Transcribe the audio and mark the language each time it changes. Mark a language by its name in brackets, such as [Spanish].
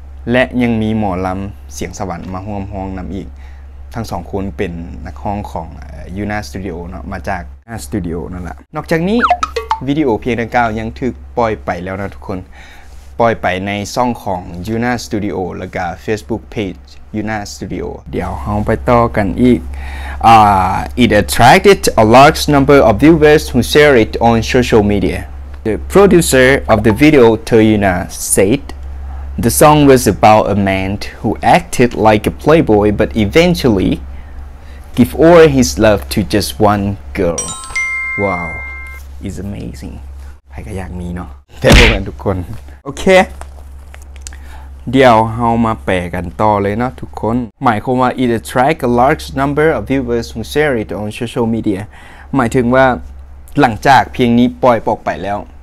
[Thai] และยังมีหมอลำเสียงสวรรค์มาห้อมห้องนำอีกทั้งสองคนเป็นนักร้องของยูน่าสตูดิโอเนาะมาจากสตูดิโอนั่นแหละนอกจากนี้วิดีโอเพียงดังกล่าวยังถูกปล่อยไปแล้วนะทุกคนปล่อยไปในช่องของยูน่าสตูดิโอแล้วก็ Facebook page ยูน่าสตูดิโอ เดี๋ยวเราไปต่อกันอีก [English] it attracted a large number of viewers who share it on social media the producer of the video Toyuna saidThe song was about a man who acted like a playboy but eventually gave all his love to just one girl. Wow, it's amazing. [Thai] ใครก็อยากมีเนาะแต่พวกกันทุกคนโอเคเดี๋ยวเรามาแปลกันต่อเลยนะทุกคนหมายความว่า [English] it attract a large number of viewers who share it on social media [Thai] หมายถึงว่าหลังจากเพียงนี้ปล่อยออกไปแล้ว